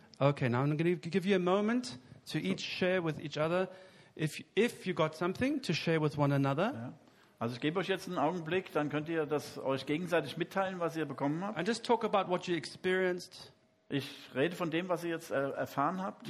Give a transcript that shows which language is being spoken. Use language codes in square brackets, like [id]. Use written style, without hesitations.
[en] Okay, now I'm going to give you a moment to each share with each other. If you got something to share with one another. [de] Ja. Also ich gebe euch jetzt einen Augenblick, dann könnt ihr das euch gegenseitig mitteilen, was ihr bekommen habt. [en] And just talk about what you experienced. [de] Ich rede von dem, was ihr jetzt erfahren habt.